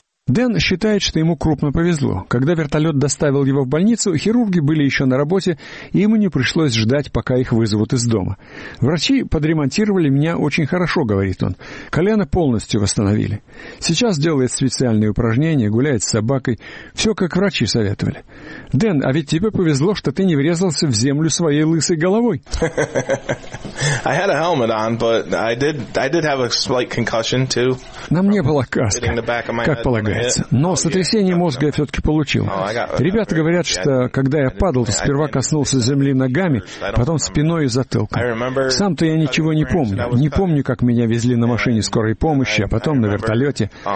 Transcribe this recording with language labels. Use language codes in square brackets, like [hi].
[ru] Дэн считает, что ему крупно повезло. Когда вертолет доставил его в больницу, хирурги были еще на работе, и ему не пришлось ждать, пока их вызовут из дома. «Врачи подремонтировали меня очень хорошо», — говорит он. «Колено полностью восстановили. Сейчас делает специальные упражнения, гуляет с собакой. Все, как врачи советовали». «Дэн, а ведь тебе повезло, что ты не врезался в землю своей лысой головой». [en] I had a helmet on, but I did have a slight concussion too. [ru] На мне была каска, как полагаю. получается. Но сотрясение мозга я все-таки получил. Ребята говорят, что когда я падал, то сперва коснулся земли ногами, потом спиной и затылком. Сам-то я ничего не помню. Не помню, как меня везли на машине скорой помощи, а потом на вертолете.